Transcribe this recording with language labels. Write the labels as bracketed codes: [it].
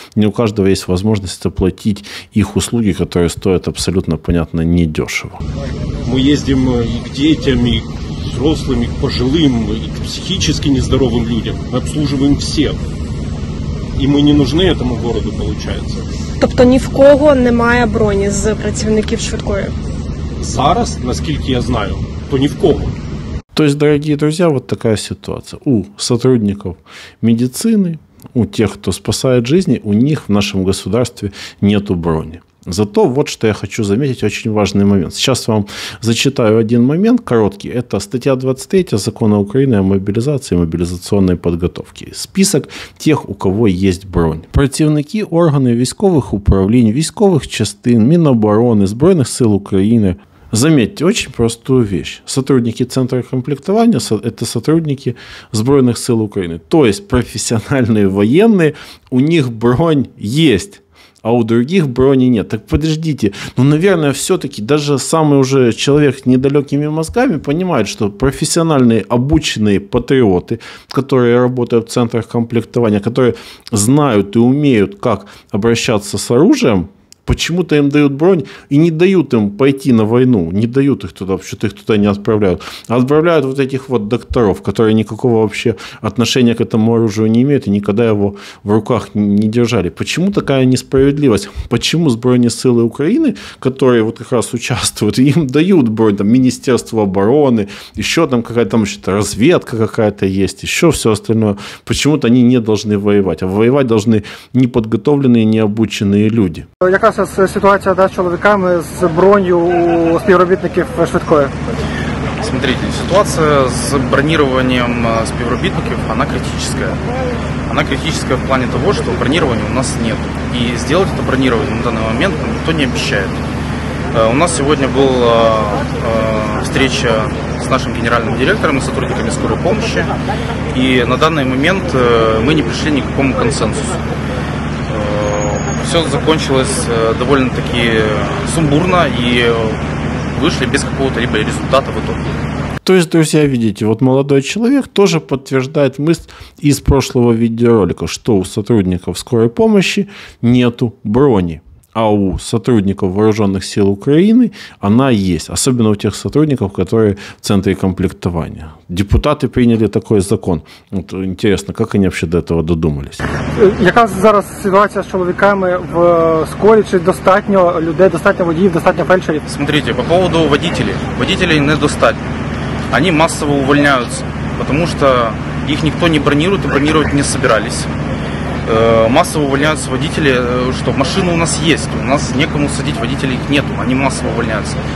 [ru] Не у каждого есть возможность оплатить их услуги, которые стоят абсолютно, понятно, недешево. Мы ездим и к детям, и взрослым, и к пожилым, и к психически нездоровым людям. Мы обслуживаем всех. И мы не нужны этому городу, получается. [uk] Тобто ни в кого немає броні з працівників швидкої? Зараз, наскільки я знаю, то ни в кого. [ru] То есть, дорогие друзья, вот такая ситуация. У сотрудников медицины, у тех, кто спасает жизни, у них в нашем государстве нету брони. Зато вот что я хочу заметить, очень важный момент. Сейчас вам зачитаю один момент короткий. Это статья 23 Закона Украины о мобилизации и мобилизационной подготовке. Список тех, у кого есть бронь. [uk] Противники, органы військових управлінь, військових частин, Міноборони, Збройних сил України. [ru] Заметьте, очень простую вещь. Сотрудники центра комплектования – это сотрудники Збройних сил України. То есть профессиональные военные, у них бронь есть. А у других брони нет. Так подождите, ну, наверное, все-таки даже самый уже человек с недалекими мозгами понимает, что профессиональные обученные патриоты, которые работают в центрах комплектования, которые знают и умеют, как обращаться с оружием, почему-то им дают бронь и не дают им пойти на войну, не дают их туда, вообще-то их туда не отправляют. А отправляют вот этих вот докторов, которые никакого вообще отношения к этому оружию не имеют и никогда его в руках не держали. Почему такая несправедливость? Почему с бронесилы Украины, которые вот как раз участвуют, им дают бронь, там, Министерство обороны, еще там какая-то там еще разведка какая-то есть, еще все остальное. Почему-то они не должны воевать, а воевать должны неподготовленные, необученные люди. [uk] Яка ситуація, да, з чоловіками з бронью у співробітників швидкої? [ru] Смотрите, [uk] ситуація з бронюванням співробітників, вона критична. Вона критична в плані того, що бронювання у нас нет. І зробити це бронювання на даний момент ніхто не обіцяє. У нас сьогодні була зустріч з нашим генеральним директором і сотрудниками скорої допомоги. І на даний момент ми не прийшли ніякому консенсусу. [ru] Все закончилось довольно-таки сумбурно и вышли без какого-то либо результата в итоге. То есть, друзья, видите, вот молодой человек тоже подтверждает мысль из прошлого видеоролика, что у сотрудников скорой помощи нету брони. А у сотрудников вооруженных сил Украины она есть. Особенно у тех сотрудников, которые в центре комплектования. Депутаты приняли такой закон. Вот интересно, как они вообще до этого додумались? [uk] Яка зараз ситуація з чоловіками в скорі? Чи достатньо людей, достатньо водіїв, достатньо фельдшерів? [ru] Смотрите, по поводу водителей. Водителей недостатньо. Они массово увольняются, потому что их никто не бронирует и бронировать не собирались. Массово увольняются водители, что машины у нас есть, у нас некому садить, водителей их нету, они массово увольняются.